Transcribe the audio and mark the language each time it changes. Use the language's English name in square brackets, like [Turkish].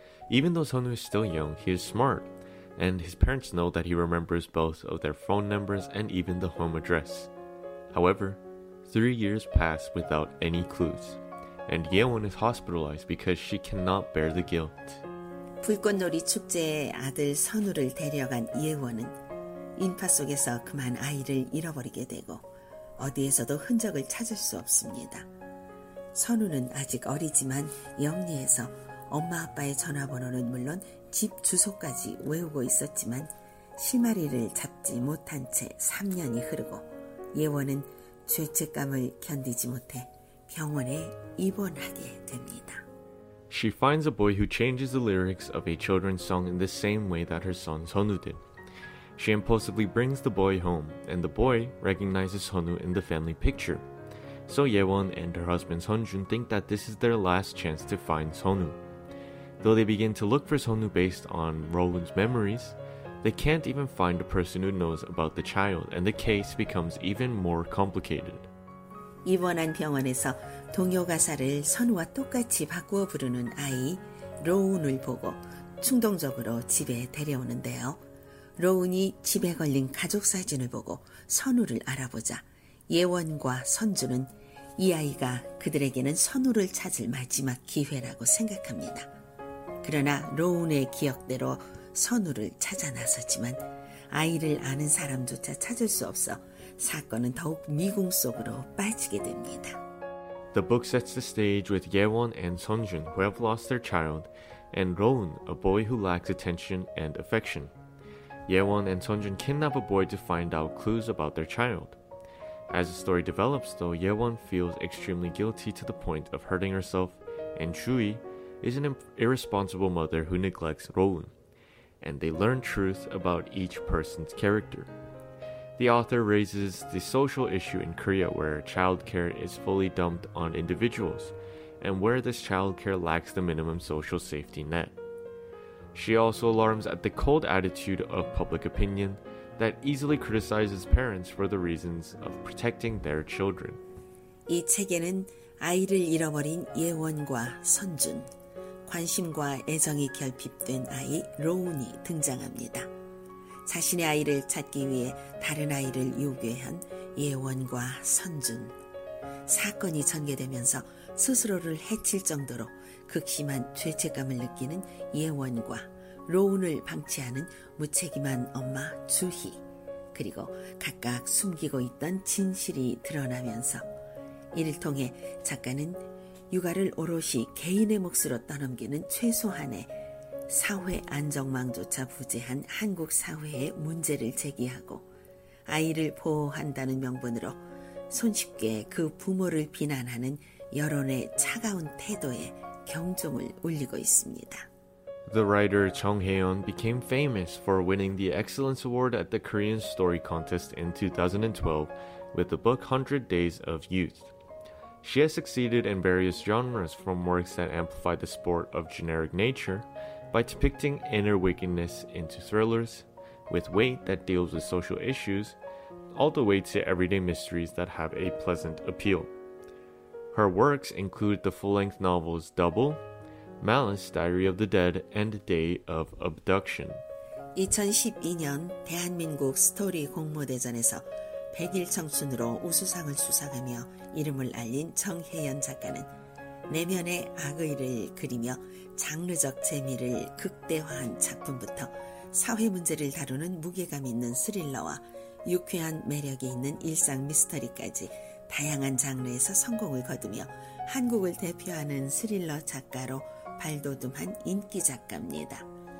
[English] Even though Sonu is still young, he is smart, and his parents know that he remembers both of their phone numbers and even the home address. However, 3 years pass without any clues, and Yewon is hospitalized because she cannot bear the guilt. [Korean] 불꽃놀이 축제에 아들 선우를 데려간 예원은 인파 속에서 그만 아이를 잃어버리게 되고 어디에서도 흔적을 찾을 수 없습니다. 선우는 아직 어리지만 영리해서 엄마 아빠의 전화번호는 물론 집 주소까지 외우고 있었지만 실마리를 잡지 못한 채 3년이 흐르고 예원은 죄책감을 견디지 못해 병원에 입원하게 됩니다. [English] She finds a boy who changes the lyrics of a children's song in the same way that her son Sonu did. She impulsively brings the boy home, and the boy recognizes Sonu in the family picture. So Yewon and her husband Sonjun think that this is their last chance to find Sonu. Though they begin to look for Sonu based on Roland's memories, they can't even find a person who knows about the child, and the case becomes even more complicated. [Korean] 입원한 병원에서 동요 가사를 선우와 똑같이 바꾸어 부르는 아이 로운을 보고 충동적으로 집에 데려오는데요. 로운이 집에 걸린 가족 사진을 보고 선우를 알아보자 예원과 선주는 이 아이가 그들에게는 선우를 찾을 마지막 기회라고 생각합니다. 그러나 로운의 기억대로 선우를 찾아 나서지만 아이를 아는 사람조차 찾을 수 없어 사건은 더욱 미궁 속으로 빠지게 됩니다. [English] The book sets the stage with Yewon and Sonjun who have lost their child and Roun, a boy who lacks attention and affection. Yewon and Sonjun kidnap a boy to find out clues about their child. As the story develops, though, Yewon feels extremely guilty to the point of hurting herself, and Chui is an irresponsible mother who neglects Roun, and they learn truth about each person's character. The author raises the social issue in Korea where childcare is fully dumped on individuals, and where this childcare lacks the minimum social safety net. She also alarms at the cold attitude of public opinion that easily criticizes parents for the reasons of protecting their children. [Korean] 이 책에는 아이를 잃어버린 예원과 선준, 관심과 애정이 결핍된 아이 로운이 등장합니다. 자신의 아이를 찾기 위해 다른 아이를 요괴한 예원과 선준. 사건이 전개되면서 스스로를 해칠 정도로 극심한 죄책감을 느끼는 예원과 로운을 방치하는 무책임한 엄마 주희 그리고 각각 숨기고 있던 진실이 드러나면서 이를 통해 작가는 육아를 오롯이 개인의 몫으로 떠넘기는 최소한의 사회 안정망조차 부재한 한국 사회의 문제를 제기하고 아이를 보호한다는 명분으로 손쉽게 그 부모를 비난하는 여론의 차가운 태도에 경종을 울리고 있습니다. [English] The writer Chung Hae-yeon became famous for winning the Excellence Award at the Korean Story Contest in 2012 with the book 100 Days of Youth. She has succeeded in various genres from works that amplify the sport of generic nature by depicting inner wickedness into thrillers with weight that deals with social issues all the way to everyday mysteries that have a pleasant appeal. Her works include the full-length novels Double, Malice, Diary of the Dead, and Day of Abduction. [Korean] 2012년 대한민국 스토리 공모대전에서 100일 청춘으로 우수상을 수상하며 이름을 알린 정혜연 작가는 내면의 악의를 그리며 장르적 재미를 극대화한 작품부터 사회 문제를 다루는 무게감 있는 스릴러와 유쾌한 매력이 있는 일상 미스터리까지 다양한 장르에서 성공을 거두며 한국을 대표하는 스릴러 작가로 발돋움한 인기 작가입니다.